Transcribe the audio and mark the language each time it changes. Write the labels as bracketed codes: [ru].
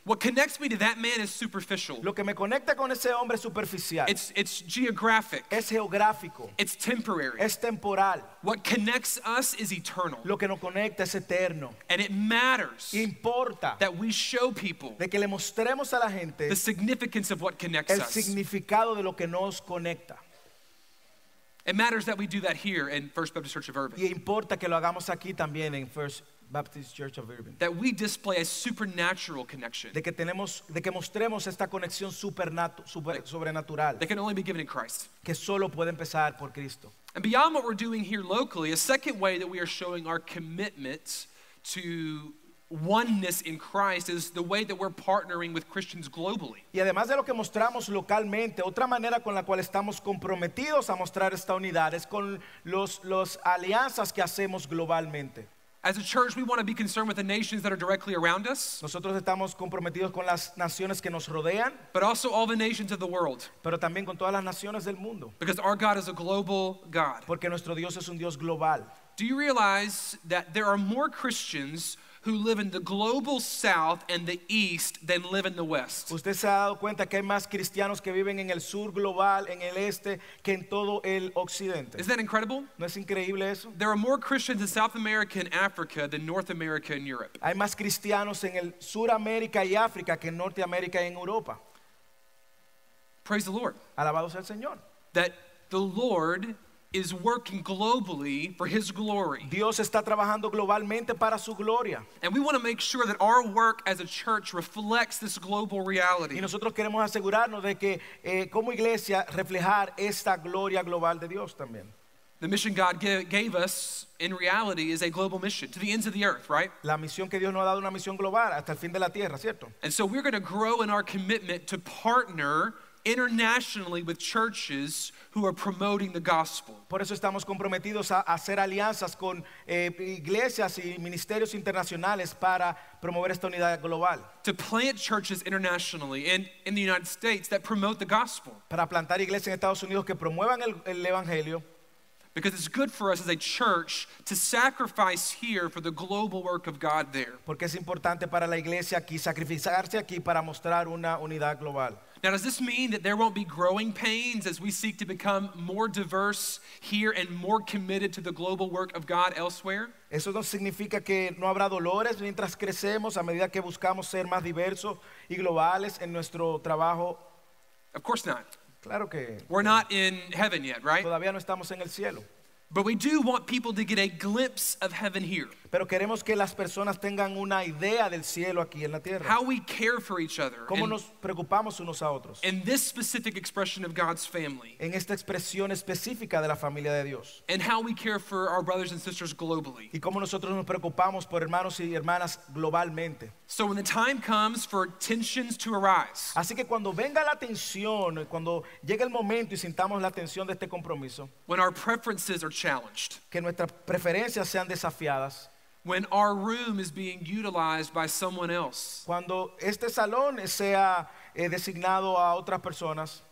[en] What connects me to that man is superficial. [es] Lo que me conecta con ese hombre es superficial. [en] It's geographic. [es] Es geográfico. [en] It's temporary. [es] Es temporal. [en] What connects us is eternal. [es] Lo que nos conecta es eterno. [en] And it matters. [es] Importa. [en] That we show people. [es] De que le mostremos a la gente. [en] The significance of what connects [es] el [en] us. [es] El significado de lo que nos conecta. [en] It matters that we do that here in First Baptist Church of Irving. [es] Y importa que lo hagamos aquí también en First Baptist Church of Irving. [en] That we display a supernatural connection. [es] De que mostremos esta conexión sobrenatural. [en] That can only be given in Christ. [es] Que solo puede empezar por Cristo. [en] And beyond what we're doing here locally, a second way that we are showing our commitment to oneness in Christ is the way that we're partnering with Christians globally. [es] Y además de lo que mostramos localmente, otra manera con la cual estamos comprometidos a mostrar esta unidad es con los alianzas que hacemos globalmente. [en] As a church, we want to be concerned with the nations that are directly around us. [es] Nosotros estamos comprometidos con las naciones que nos rodean. [en] But also all the nations of the world. [es] Pero también con todas las naciones del mundo. [en] Because our God is a global God. [es] Porque nuestro Dios es un Dios global. [en] Do you realize that there are more Christians who live in the global south and the east than live in the west? [es] ¿Usted se ha dado cuenta que hay más cristianos que viven en el sur global, en el este, que en todo el occidente? [en] Is that incredible? [es] ¿No es increíble eso? [en] There are more Christians in South America and Africa than North America and Europe. [es] Hay más cristianos en el sur América y África que en Norteamérica y en Europa. [en] Praise the Lord. [es] Alabado sea el Señor. [en] That the Lord is working globally for his glory. [es] Dios está trabajando globalmente para su gloria. [en] And we want to make sure that our work as a church reflects this global reality. [es] Y nosotros queremos asegurarnos de que como iglesia reflejar esta gloria global de Dios también. [en] The mission God gave us in reality is a global mission to the ends of the earth, right? [es] La misión que Dios nos ha dado una misión global hasta el fin de la tierra, ¿cierto? [en] And so we're going to grow in our commitment to partner internationally with churches who are promoting the gospel. [es] Por eso estamos comprometidos a hacer alianzas con iglesias y ministerios internacionales para promover esta unidad global. [en] To plant churches internationally and in the United States that promote the gospel. [es] Para plantar iglesias en Estados Unidos que promuevan el evangelio. [en] Because it's good for us as a church to sacrifice here for the global work of God there. [es] Porque es importante para la iglesia aquí sacrificarse aquí para mostrar una unidad global. [en] Now, does this mean that there won't be growing pains as we seek to become more diverse here and more committed to the global work of God elsewhere? [es] Eso no significa que no habrá dolores mientras crecemos a medida que buscamos ser más diversos y globales en nuestro trabajo. [en] Of course not. [es] Claro que [en] we're not in heaven yet, right? [es] Todavía no estamos en el cielo. [en] But we do want people to get a glimpse of heaven here. [es] Pero queremos que las personas tengan una idea del cielo aquí en la tierra. [en] How we care for each other. [es] Cómo nos preocupamos unos a otros. [en] In this specific expression of God's family. [es] En esta expresión específica de la familia de Dios. [en] And how we care for our brothers and sisters globally. [es] Y cómo nosotros nos preocupamos por hermanos y hermanas globalmente. [en] So when the time comes for tensions to arise. [es] Así que cuando venga la tensión, cuando llegue el momento y sintamos la tensión de este compromiso. [en] When our preferences are challenged. [es] Que nuestras preferencias sean desafiadas. [en] When our room is being utilized by someone else. [es] Cuando este salón sea designado a otras personas.